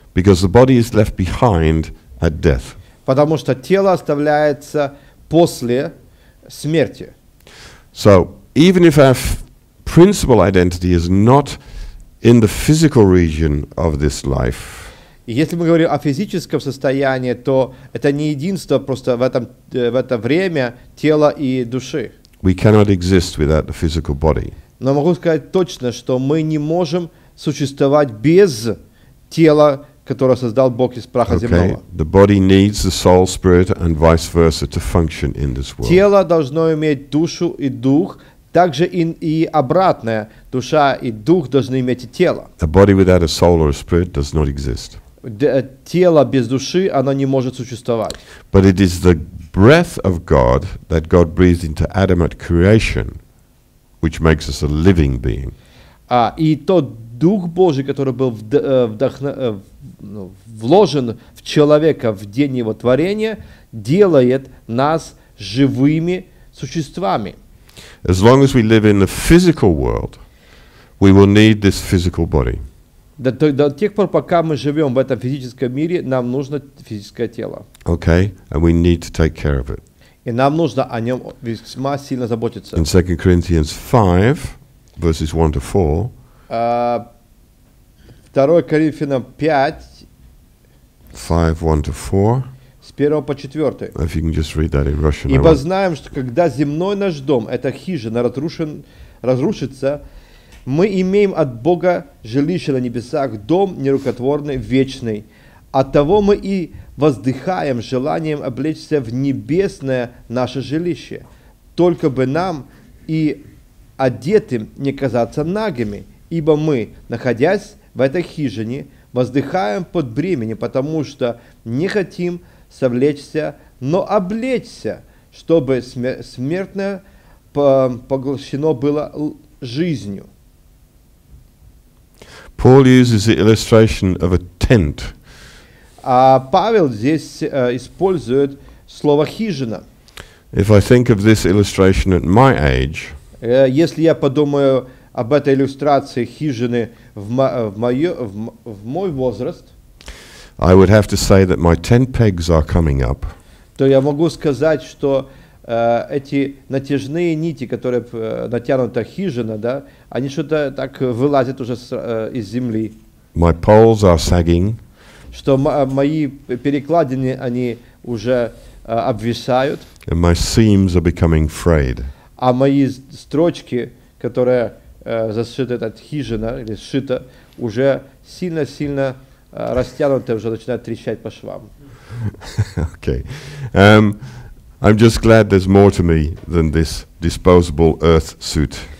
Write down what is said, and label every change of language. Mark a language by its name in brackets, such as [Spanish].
[English] Because the body is left behind at death. [Russian] Потому что тело оставляется после смерти. [English] So, even if our principal identity is not in the physical region of this life. [Russian] Если мы говорим о физическом состоянии, то это не единство просто в это время тела и души. [English] We cannot exist without the physical body. [Russian] Но могу сказать точно, что мы не можем существовать без тела, которое создал Бог из праха [English] okay. [Russian] земного. [English] The body needs the soul, spirit, and vice versa to function in this world. [Russian] Тело должно иметь душу и дух, также и обратное. Душа и дух должны иметь и тело. [English] A body without a soul or a spirit does not exist. [Russian] Тело без души, оно не может существовать. [English] But it is the breath of God that God breathed into Adam at creation. Which makes us a living being. [Russian] И тот дух Божий, который был вложен в человека в день его творения, делает нас живыми существами. [English] As long as we live in the physical world, we will need this physical body. [Russian] До тех пор, пока мы живем в этом физическом мире, нам нужно физическое тело. [English] Okay, and we need to take care of it. [Russian] И нам нужно о нем весьма сильно заботиться. [English] In 2 Corinthians 5, verses 1 to [Russian] 4. 2 Коринфянам 5. [English] 5, 1 to 4. С 1 по 4. If you can just read that in Russian. [Russian] Ибо знаем, что когда земной наш дом, эта хижина, разрушится, мы имеем от Бога жилище на небесах, дом нерукотворный, вечный. Оттого мы и воздыхаем желанием облечься в небесное наше жилище, только бы нам и одетым не казаться нагими, ибо мы, находясь в этой хижине, воздыхаем под бременем, потому что не хотим совлечься, но облечься, чтобы смертное поглощено было жизнью. [English] Paul uses the illustration of a tent. [Russian] Павел здесь использует слово хижина. [English] If I think of this illustration at my age, [Russian] если я подумаю об этой иллюстрации хижины в мой возраст, [English] I would have to say that my tent pegs are coming up. [Russian] То я могу сказать, что эти натяжные нити, которые натянута хижина, да, они что-то так вылазят уже из земли. [English] My poles are sagging. [Russian] Что мои перекладины, они уже обвисают. [English] And my seams are becoming frayed. [Russian] А мои строчки, которые зашиты от хижина или сшита, уже сильно-сильно растянуты, уже начинают трещать по швам. [English] Okay. I'm just glad there's more to me than this disposable earth suit.